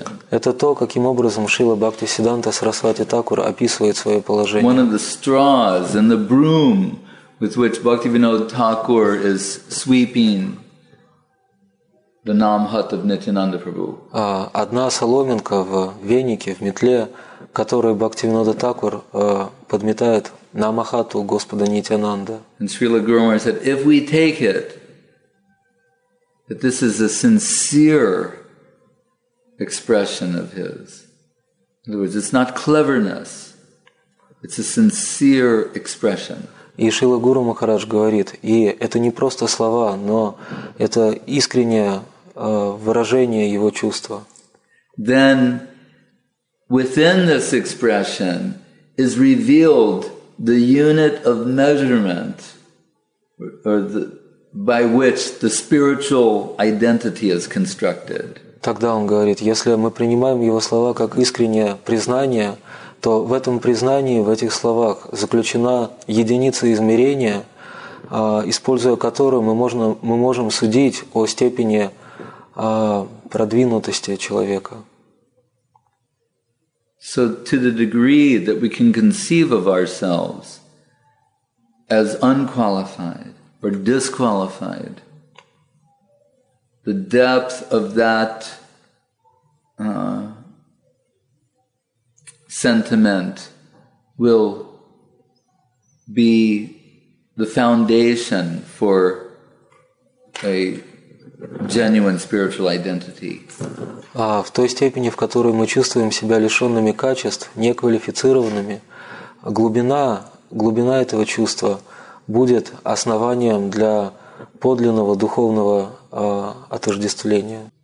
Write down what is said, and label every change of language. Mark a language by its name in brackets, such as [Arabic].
[Russian] Это то, каким образом Шрила Бхакти Сиддханта Сарасвати Такур описывает свое положение. [English] One of the straws in the broom with which Bhaktivinoda Thakur is sweeping the Namhat of Nityananda Prabhu. [Russian] Одна соломинка в венике, в метле, которую Бхактивинода Такур подметает Намахату Господа Нитянанды. [English] And Srila Guru Maharaj said, if we take it that this is a sincere expression of his, in other words, it's not cleverness, it's a sincere expression. [Russian] И Шрила Гуру Махарадж говорит, и это не просто слова, но это искреннее выражение его чувства. [English] Then within this expression is revealed the unit of measurement by which the spiritual identity is constructed. [Russian] Тогда он говорит, если мы принимаем его слова как искреннее признание, то в этом признании, в этих словах заключена единица измерения, используя которую мы можем судить о степени продвинутости человека. [English] So to the degree that we can conceive of ourselves as unqualified or disqualified, the depth of that sentiment will be the foundation for a genuine spiritual identity. [Russian] А в той степени, в которой мы чувствуем себя лишенными качеств, неквалифицированными, глубина этого чувства будет основанием для подлинного духовного отождествления.